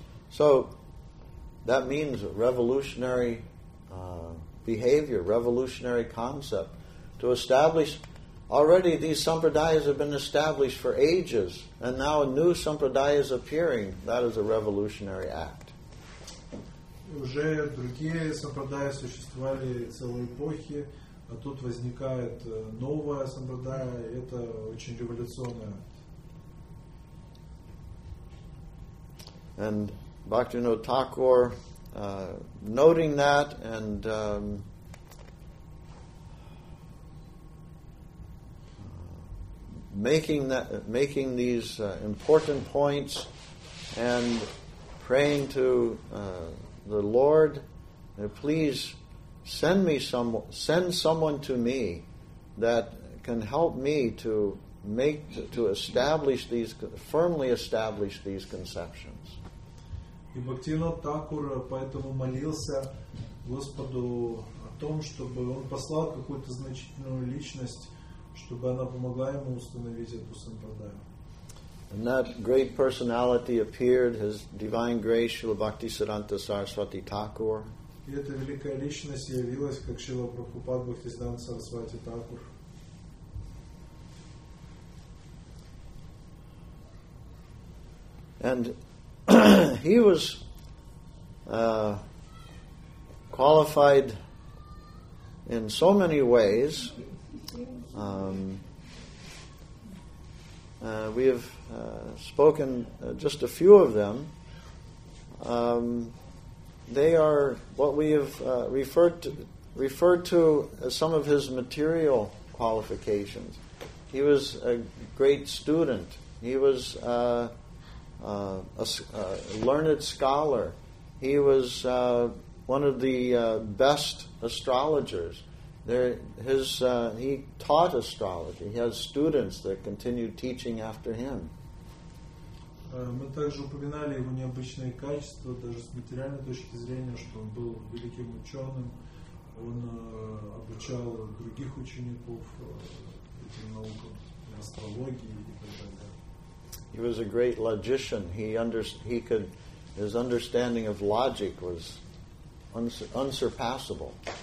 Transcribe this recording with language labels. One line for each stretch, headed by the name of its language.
English: So that means revolutionary behavior, revolutionary concept to establish. Already these sampradayas have been established for ages, and now a new sampradaya is appearing. That is a revolutionary act.
Russian: Уже другие сампрадаи существовали целые эпохи, а тут возникает новая сампрадая, и это очень революционный акт.
English: And Bhaktivinoda Thakur, noting that and making these important points and praying to the Lord, please send someone to me that can help me to firmly establish these conceptions.
Russian: И Бхактивинод Такур поэтому молился Господу о том, чтобы он послал какую-то значительную личность, чтобы она помогла ему установить эту сампрадаю.
English: And that great personality appeared, his divine grace, Srila Bhaktisiddhanta Saraswati Thakur.
Russian: И эта великая личность явилась как Шрила Прабхупад Бхактисиддханта Сарасвати Такур.
English: And he was qualified in so many ways. We have spoken just a few of them. They are what we have referred to as some of his material qualifications. He was a great student. He was a learned scholar. He was one of the best astrologers. He taught astrology. He has students that continue teaching after him.
Russian: Мы также упоминали его необычные качества, даже с материальной точки зрения, что он был великим ученым. Он обучал других учеников этим наукам, астрологии и так далее.
English: He was a great logician. His understanding of logic was unsurpassable.